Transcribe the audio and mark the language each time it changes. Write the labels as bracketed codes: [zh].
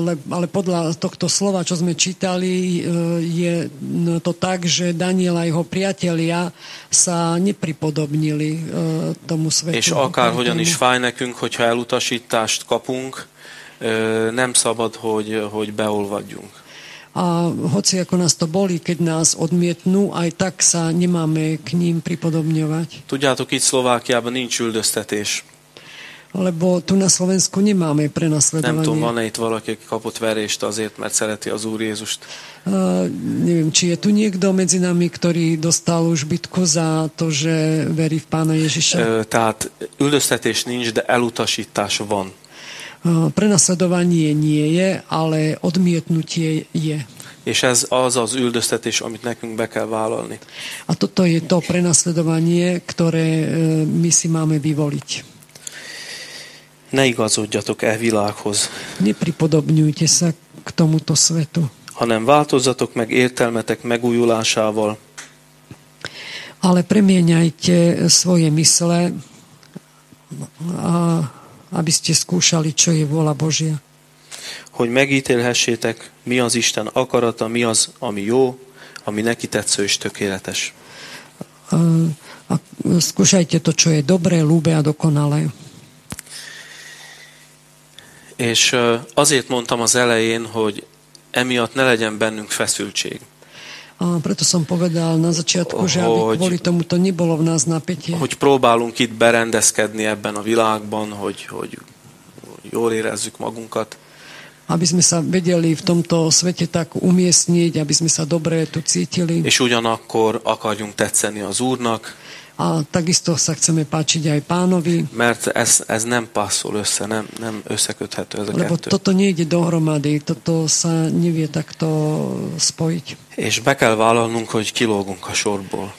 [sk] Ale podľa tohto slova, čo sme čítali, je to tak, že Daniel a jeho priatelia sa nepripodobnili tomu svetu. [hu] És akárhogyan is fáj nekünk, hogyha elutasítást kapunk, nem szabad, hogy beolvadjunk. [sk] A hoci ako nás to bolí, keď nás odmietnú, aj tak sa nemáme k ním pripodobňovať. [hu] Tudjátok, itt Szlovákiában nincs üldöztetés. [sk] Lebo tu na Slovensku nemáme prenasledovanie. [hu] Nem tudom, van-e itt valaki, aki kapott verést azért, mert szereti az Úr Jézust. [sk] Neviem, či je tu niekto medzi nami, ktorý dostal už bitku za to, že verí v Pána Ježiša. [hu] Tehát üldöztetés nincs, de elutasítás van. [sk] Prenasledovanie nie je, ale odmietnutie je. [hu] És ez az az üldöztetés, amit nekünk be kell vállalni. [sk] A toto je to prenasledovanie, ktoré my si máme vyvoliť. [hu] Ne igazodjatok e világhoz. [sk] Nepripodobňujte sa k tomuto svetu. [hu] Hanem változzatok meg értelmetek megújulásával. [sk] Ale premieňajte svoje mysle a aby ste skúšali, čo je vôľa Božia. [hu] Hogy megítélhessétek, mi az Isten akarata, mi az, ami jó, ami neki tetsző és tökéletes. [sk] A skúšajte to, čo je dobré, ľúbe a dokonalé. [hu] És azért mondtam az elején, hogy emiatt ne legyen bennünk feszültség. [sk] A preto som povedal na začiatku, že aby kvôli tomu to nebolo v nás napätie. [hu] Hogy próbálunk itt berendezkedni ebben a világban, hogy jól érezzük magunkat. [sk] Aby sme sa vedeli v tomto svete tak umiestniť, aby sme sa dobre tu cítili. [hu] És ugyanakkor akarjunk tetszeni az Úrnak. [sk] A takisto sa chceme páčiť aj Pánovi. [hu] Mert ez nem passzol össze, nem összeköthető ez a kettő. [sk] Lebo toto nejde dohromady, toto sa nevie takto spojiť. [hu] És be kell vállalnunk, hogy kilógunk a sorból.